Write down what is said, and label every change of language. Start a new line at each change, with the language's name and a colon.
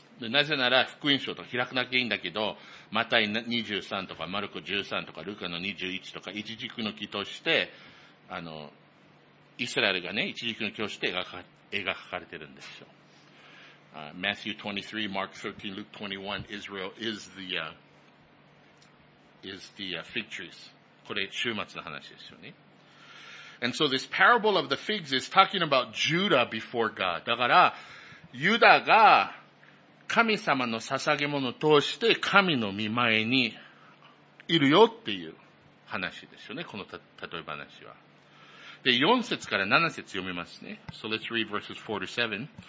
Japanese: で、なぜなら福音書と開くだけいいんだけど、マタイ23とかマルコ13とかルカの21とか、イチジクの木として、イスラエルがね、イチジクの木として絵が描かれてるんですよ。
English: Matthew 23, Mark 13, Luke 21, Israel is the fig trees.
Japanese: これ、週末の話ですよね。
English: And so this parable of the figs is talking about Judah before God.
Japanese: だから、ユダが神様の捧げ物を通して神の御前にいるよっていう話ですよね。この例え話は。で、4節から7節読みますね。
English: So let's read verses 4 to 7.